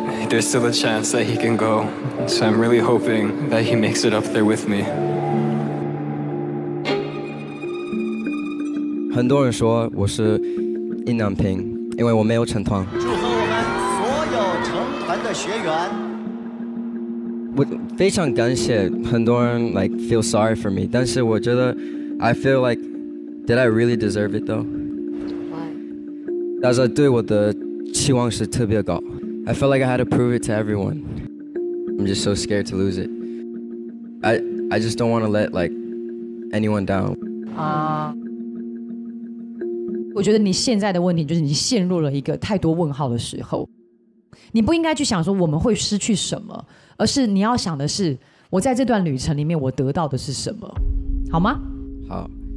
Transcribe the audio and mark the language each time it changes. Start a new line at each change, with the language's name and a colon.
English: There's still a chance that he can go, so I'm really hoping that he makes it up there with me.
Chinese: 很多人说我是硬男瓶，因为我没有成团。祝贺我们所有成团的学员。我非常感谢很多人
English: like feel sorry for me，
Chinese: 但是我觉得
English: I feel like did I really deserve it though？ Why？
Chinese: 大家对我的期望是特别高。
English: I felt like I had to prove it to everyone. I'm just so scared to lose it. I just don't want to let like anyone down.
Chinese: 我觉得你现在的问题就是你陷入了一个太多问号的时候。你不应该去想说我们会失去什么，而是你要想的是我在这段旅程里面我得到的是什么，好吗？好。